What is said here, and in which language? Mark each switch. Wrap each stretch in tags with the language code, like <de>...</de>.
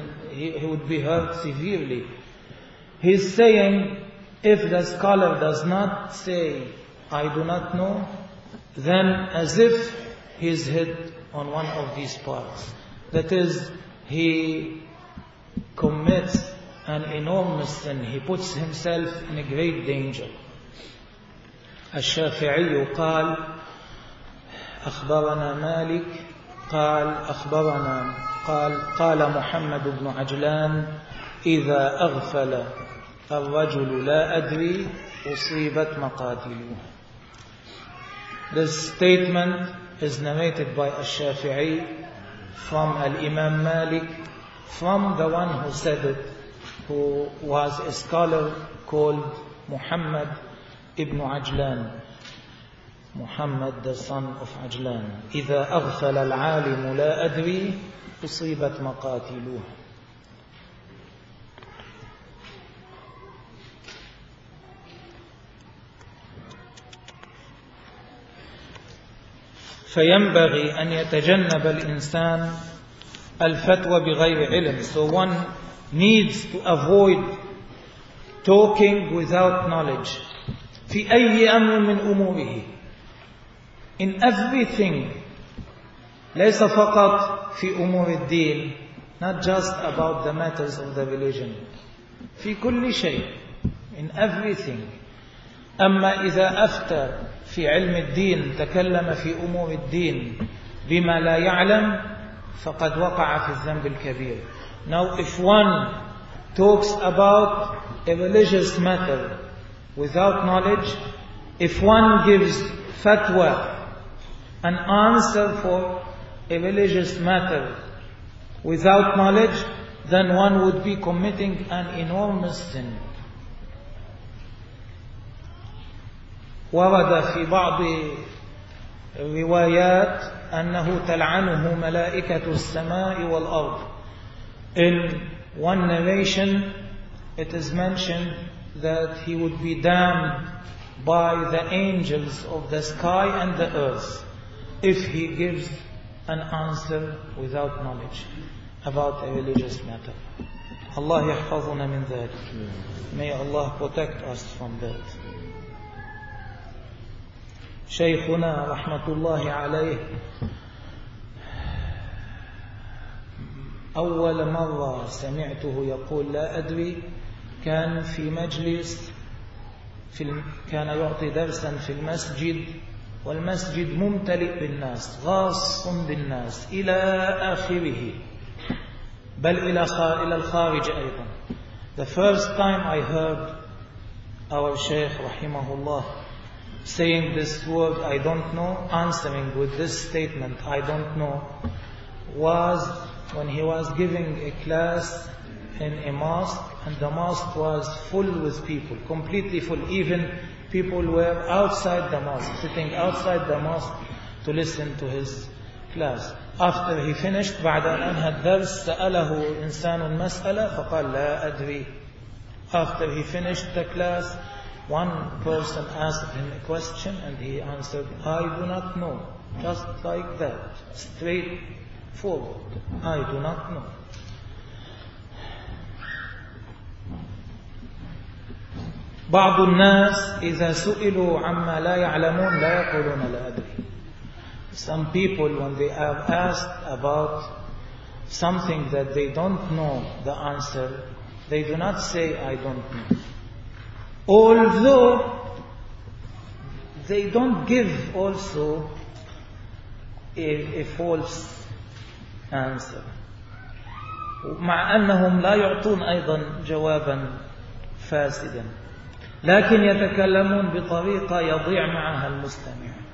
<en>He would be hurt severely. He's saying, if the scholar does not say, I do not know, then as if he's hit on one of these parts. That is, he commits an enormous sin. He puts himself in a great danger.</en> <ar>الشافعي قال أخبرنا مالك قال أخبرنا قال قال محمد بن عجلان إذا أغفل الرجل لا أدري أصيبت مقاتلوه.</ar> <en>This statement is narrated by الشافعي from الإمام مالك, from the one who said it, who was a scholar called Muhammad ibn Ajlan. Muhammad, the son of Ajlan.</en> <ar>إذا أغفل العالم لا أدري أصيبت مقاتلوه. فينبغي أن يتجنب الإنسان الفتوى بغير علم.</ar> <en>So one needs to avoid talking without knowledge.</en> <ar>في أي أمر من أموره.</ar> <en>In everything.</en> <ar>ليس فقط في أمور الدين.</ar> <en>Not just about the matters of the religion.</en> <ar>في كل شيء.</ar> <en>In everything.</en> <ar>أما إذا أفتى في علم الدين, تكلم في أمور الدين بما لا يعلم, فقد وقع في الذنب الكبير.</ar> <en>Now if one talks about a religious matter without knowledge, if one gives fatwa, an answer for a religious matter without knowledge, then one would be committing an enormous sin.</en> <ar>ورد في بعض الروايات أنه تلعنه ملائكة السماء والأرض.</ar> <en>In one narration, it is mentioned that he would be damned by the angels of the sky and the earth if he gives an answer without knowledge about a religious matter.</en> <ar>Allah يحفظنا من ذلك.</ar> <en>May Allah protect us from that.</en> <ar>شيخنا رحمة الله عليه أول مرة سمعته يقول لا أدري كان في مجلس في كان يعطي درسا في المسجد, والمسجد ممتلئ بالناس, غاص بالناس إلى آخره, بل إلى الخارج أيضا.</ar> <en>The first time I heard our Shaykh رحمه الله saying this word, I don't know, answering with this statement, I don't know, was when he was giving a class in a mosque, and the mosque was full with people, completely full. Even people were outside the mosque, sitting outside the mosque to listen to his class. After he finished,</en> <ar>بعد أن أنهى الدرس, سأله إنسان مسألة, فقال لا أدري.</ar> <en>After he finished the class, one person asked him a question and he answered, I do not know. Just like that, straight forward, I do not know.</en> <ar>بعض الناس إذا سئلوا عما لا يعلمون لا يقولون لا أدري.</ar> <en>Some people when they are asked about something that they don't know the answer, they do not say I don't know. Although they don't give also a false answer.</en> <ar>مع أنهم لا يعطون أيضا جوابا فاسدا لكن يتكلمون بطريقة يضيع معها المستمع.</ar>